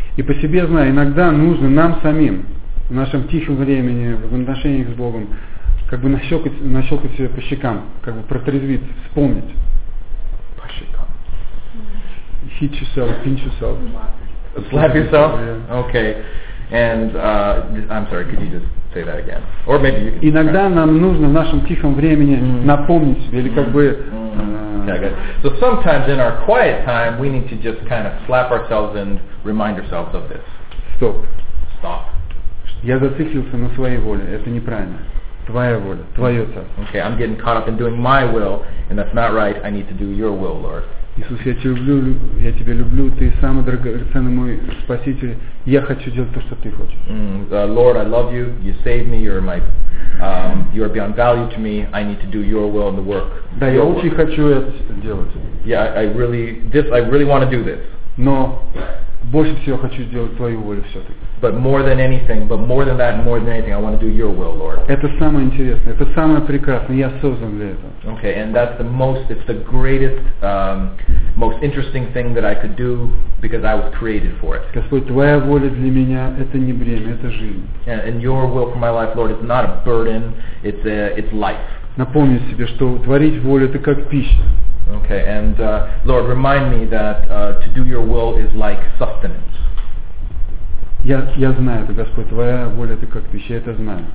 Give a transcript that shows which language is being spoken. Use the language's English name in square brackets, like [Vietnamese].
[Russian] И по себе знаю, иногда нужно нам самим в нашем тихом времени, в отношениях с Богом, как бы нащелкать себя по щекам, как бы протрезвиться, вспомнить. По щекам. [English] Hit yourself, pinch yourself. Slap yourself? Yeah. Okay. And, I'm sorry, could you just say that again? Or maybe you can... [Russian] Иногда нам нужно в нашем тихом времени напомнить себе, или как бы... [English] Okay, good. So sometimes in our quiet time, we need to just kind of slap ourselves and remind ourselves of this. [Russian] Стоп. [English] Stop. [Russian] Я зациклился на своей воле, это неправильно. Твоя воля, твое царство. [English] Okay, I'm getting caught up in doing my will, and that's not right. I need to do your will, Lord. [Russian] Иисус, я тебя люблю, ты самый драгоценный мой спаситель. Я хочу делать то, что ты хочешь. [English] Lord, I love you. You saved me. You're my, you are beyond value to me. I need to do your will and the work. [Russian] Да, я очень хочу это делать. [English] Yeah, I really want to do this. [Russian] Но больше всего хочу сделать твою волю все-таки. [English] But more than anything, I want to do your will, Lord. [Russian] Это самое интересное, это самое прекрасное. Я создан для этого. [English] Okay, and that's the most, it's the greatest, most interesting thing that I could do because I was created for it. [Russian] Господь, твоя воля для меня это не бремя, это жизнь. [English] And your will for my life, Lord, is not a burden. It's life. [Russian] Напомни себе, что творить волю это как пища. [English] Okay, and Lord, remind me that to do your will is like sustenance. [Russian] Я знаю это, Господь, твоя воля это как пища, это знаю.